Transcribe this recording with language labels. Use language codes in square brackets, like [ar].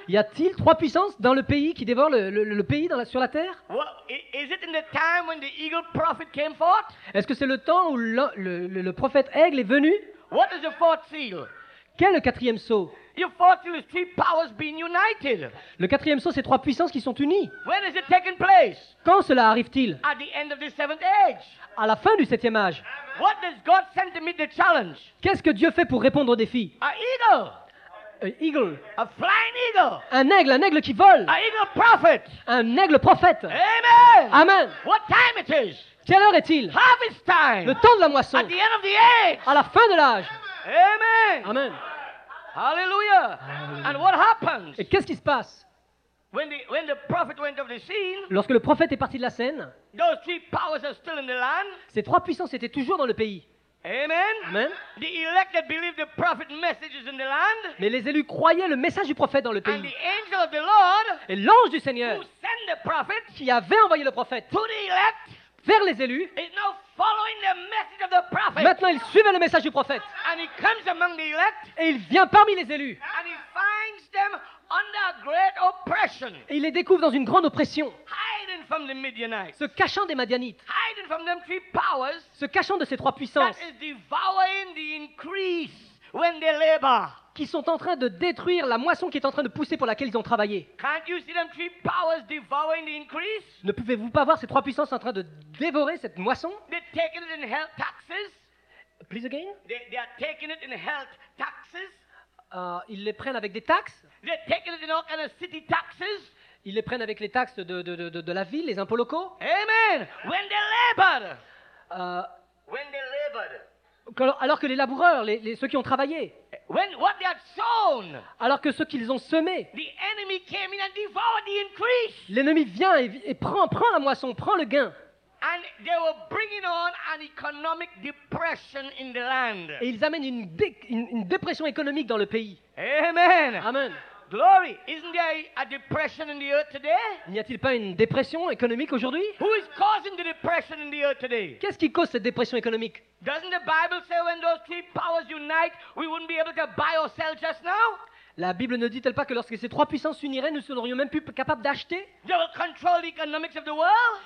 [fr] Y a-t-il trois puissances dans le pays qui dévorent le pays sur la terre? [en] Well, is it in the time when the eagle prophet came forth? [fr] Est-ce que c'est le temps où le prophète aigle est venu? [en] What is the fourth seal? [fr] Quel est le quatrième sceau? [en] You fought till the three powers being united. [fr] Le quatrième saut, c'est trois puissances qui sont unies. [en] When is it taking place? [fr] Quand cela arrive-t-il? [en] At the end of the seventh age. [fr] À la fin du septième âge. [en] What does God send to meet the challenge? [fr] Qu'est-ce que Dieu fait pour répondre au défi? [en] An eagle. An eagle. A flying eagle. [fr] Un aigle qui vole. [en] An eagle prophet. [fr] Un aigle prophète. [en] Amen. [fr] Amen. [en] What time it is? [fr] Quelle heure est-il? [en] Harvest time. [fr] Le temps de la moisson. [en] At the end of the age. [fr] À la fin de l'âge. [en] Amen. [fr] Amen. [en] Hallelujah. And what happens? [fr] Et qu'est-ce qui se passe? [en] When the prophet went off the scene, [fr] lorsque le prophète est parti de la scène, [en] those three powers are still in the land. [fr] Ces trois puissances étaient toujours dans le pays. [en] Amen. [fr] Amen. [en] The elect that believed the prophet's messages in the land. [fr] Mais les élus croyaient le message du prophète dans le pays. [en] And the angel of the Lord, [fr] et l'ange du Seigneur, [en] who sent the prophet, [fr] qui avait envoyé le prophète, [en] to the elect, [fr] vers les élus, [en] is now following the message of the prophet. [fr] Maintenant, il suivait le message du prophète. [en] And he comes among the elect, [fr] et il vient parmi les élus. [en] And he finds them under great oppression. [fr] Et il les découvre dans une grande oppression. [en] Hiding from the Midianites. [fr] Se cachant des Madianites. [en] Hiding from them three powers. [fr] Se cachant de ces trois puissances. [en] That is devouring the increase when they labor. [fr] Qui sont en train de détruire la moisson qui est en train de pousser pour laquelle ils ont travaillé. [en] Can't you see them three powers devouring the increase? [fr] Ne pouvez-vous pas voir ces trois puissances en train de dévorer cette moisson? [en] They're taking it in health taxes. Please again? They are taking it in health taxes. [fr] Ils les prennent avec des taxes. [en] They're taking it in all kind of city taxes. [fr] Ils les prennent avec les taxes de la ville, les impôts locaux. [en] Amen. When they labored. When they labored. [fr] Alors que les laboureurs, ceux qui ont travaillé. [en] When what they had sown. [fr] Alors que ceux qu'ils ont semé. [en] The enemy came in and devoured the increase. [fr] L'ennemi vient et prend la moisson, prend le gain. [en] And they were bringing on an economic depression in the land. [fr] Et ils amènent une dépression économique dans le pays. [en] Amen. [fr] Amen. [en] Glory, isn't there a depression in the earth today? [fr] N'y a-t-il pas une dépression économique aujourd'hui? [en] Who is causing the depression in the earth today? [fr] Qu'est-ce qui cause cette dépression économique? [en] Doesn't the Bible say when those three powers unite, we wouldn't be able to buy or sell just now? [fr] La Bible ne dit-elle pas que lorsque ces trois puissances s'uniraient, nous ne serions même plus capables d'acheter? [en] They will control the economics of the world?